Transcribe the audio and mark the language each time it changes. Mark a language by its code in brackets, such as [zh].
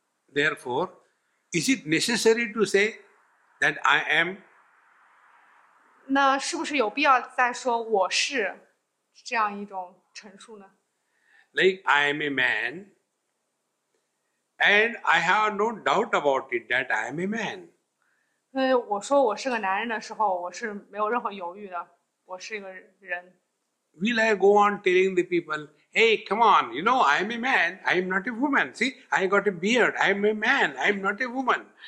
[en] Therefore, is it necessary to say that I am? [zh] 那是不是有必要再说我是这样一种陈述呢？ [en] Like I am a man, and I have no doubt about it that I am a man. [zh] 我说我是个男人的时候，我是没有任何犹豫的，我是一个人。 [en] Will I go on telling the people, hey, come on, you know, I'm a man, I'm not a woman. See, I got a beard, I'm a man, I'm not a woman.